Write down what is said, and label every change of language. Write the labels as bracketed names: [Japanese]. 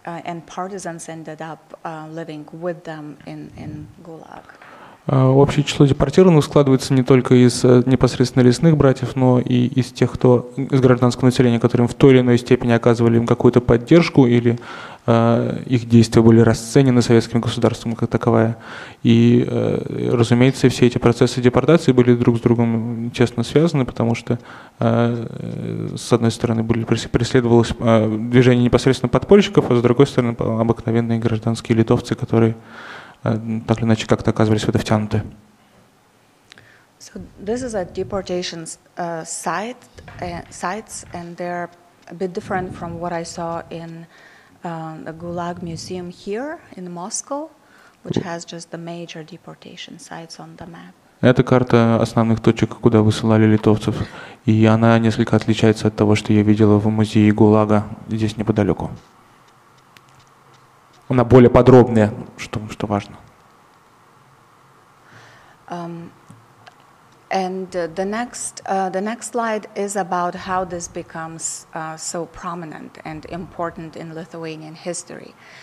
[English] And partisans ended up living with them in Gulag. [Russian] Общее число депортированных складывается не только из непосредственно лесных братьев, но и из тех, кто из гражданского населения, которым в той или иной степени оказывали им какую-то поддержку, или их действия были расценены советским государством как таковая. И, разумеется, все эти процессы депортации были друг с другом тесно связаны, потому что, с одной стороны, преследовалось движение непосредственно подпольщиков, а с другой стороны, обыкновенные гражданские литовцы, которые... так или иначе как-то оказывались в это втянуты. [English] So this is a deportation sites, and they're a bit different from what I saw in the Gulag Museum here in Moscow, which has just the major deportation sites on the map. [Russian] Это карта основных точек, куда высылали литовцев, и она несколько отличается от того, что я видела в музее Гулага здесь неподалеку. Она более подробная, что важно. [English] And the next slide is about how this becomes so prominent and important in Lithuanian history.